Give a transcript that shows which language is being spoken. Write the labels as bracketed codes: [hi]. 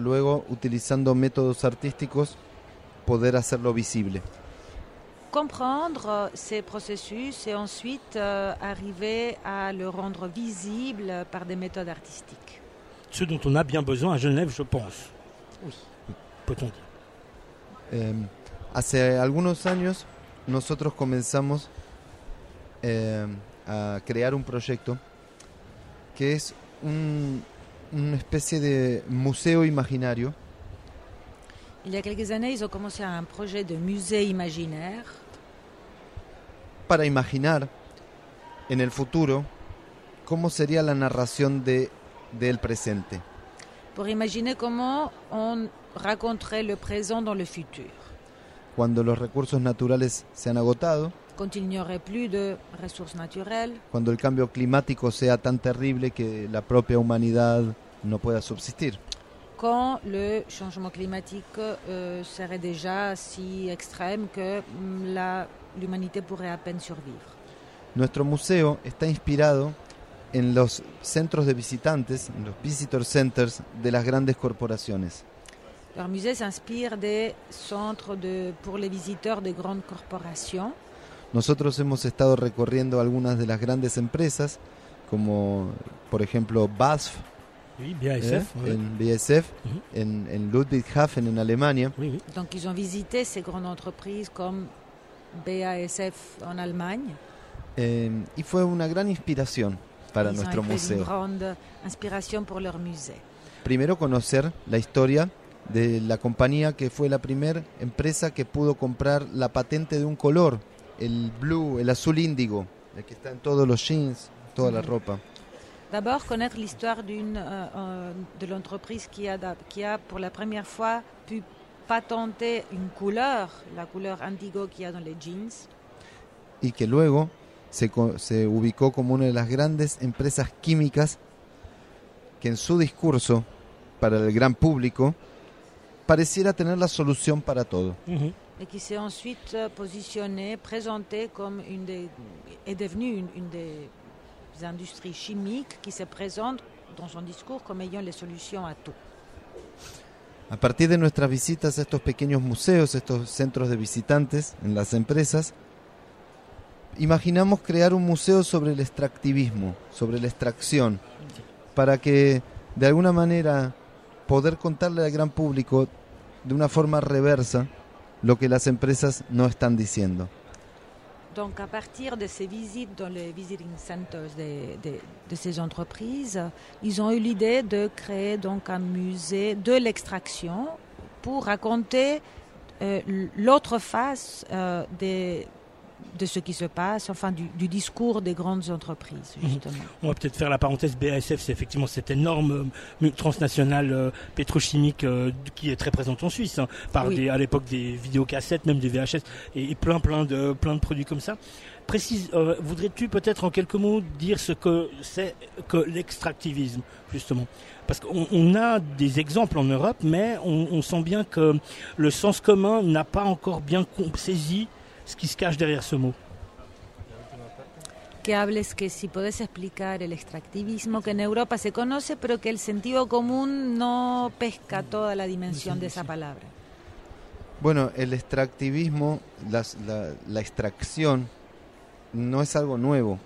[es] luego, utilizando métodos artísticos, poder hacerlo visible. [fr] Comprendre ces processus et ensuite arriver à le rendre visible par des méthodes artistiques. Ce dont on a bien besoin à Genève, je pense. Oui. Peut-on dire. [es] Hace algunos años, nosotros comenzamos a crear un proyecto que es una especie de museo imaginario. [fr] Il y a quelques années, ils ont commencé un projet de musée imaginaire. [es] Para imaginar en el futuro cómo sería la narración del presente. [fr] Pour imaginer comment on raconterait le présent dans le futur. [es] Cuando los recursos naturales se han agotado. [fr] Quand il n'y aurait plus de ressources naturelles. Quand le [es] cambio climatique sea tan terrible que la propia humanidad no pueda subsistir. [fr] Quand le changement climatique serait déjà si extrême que l'humanité pourrait à peine survivre. [es] Nuestro museo está inspirado en los centros de visitantes, en los [en] visitor centers [es] de las grandes corporaciones. [fr] Leur musée s'inspire des centres pour les visiteurs des grandes corporations. [es] Nosotros hemos estado recorriendo algunas de las grandes empresas, como por ejemplo BASF, [fr] oui, BASF, [es] en BASF, en Ludwigshafen, en Alemania. [fr] Oui. Donc ils ont visité ces grandes entreprises comme BASF en Allemagne. [es] Y fue una gran inspiración para [fr] ils [es] nuestro museo. [fr] Une grande inspiration pour leur musée. [es] Primero conocer la historia de la compañía que fue la primera empresa que pudo comprar la patente de un color. El blue, el azul índigo, el que está en todos los jeans, toda la ropa. [fr] D'abord connaître l'histoire de l'entreprise qui a pour la première fois pu patenter une couleur, la couleur indigo qu'il y a dans les jeans. [es] Y que luego se ubicó como una de las grandes empresas químicas que en su discurso para el gran público pareciera tener la solución para todo. [fr] Et qui s'est ensuite positionnée, présentée comme est devenue une des industries chimiques qui se présente dans son discours comme ayant les solutions à tout. [es] A partir de nuestras visitas a estos pequeños museos, estos centros de visitantes en las empresas, imaginamos crear un museo sobre el extractivismo, sobre la extracción, para que de alguna manera poder contarle al gran público de una forma reversa lo que las empresas no están diciendo. [fr] Donc à partir de ces visites dans les [en] visiting centers [fr] de ces entreprises, ils ont eu l'idée de créer donc un musée de l'extraction pour raconter l'autre face de ce qui se passe, enfin du discours des grandes entreprises, justement. On va peut-être faire la parenthèse BASF, c'est effectivement cette énorme transnationale pétrochimique qui est très présente en Suisse, à l'époque des vidéocassettes, même des VHS, et plein de produits comme ça. Précise, voudrais-tu peut-être en quelques mots dire ce que c'est que l'extractivisme, justement ? Parce qu'on a des exemples en Europe, mais on sent bien que le sens commun n'a pas encore bien saisi ce qui se cache derrière ce mot. [es] Que hables que si puedes explicar el extractivismo que en Europa se conoce, pero que el sentido común no pesca toda la dimensión de esa palabra. Bueno, el extractivismo, la extracción, no es algo nuevo.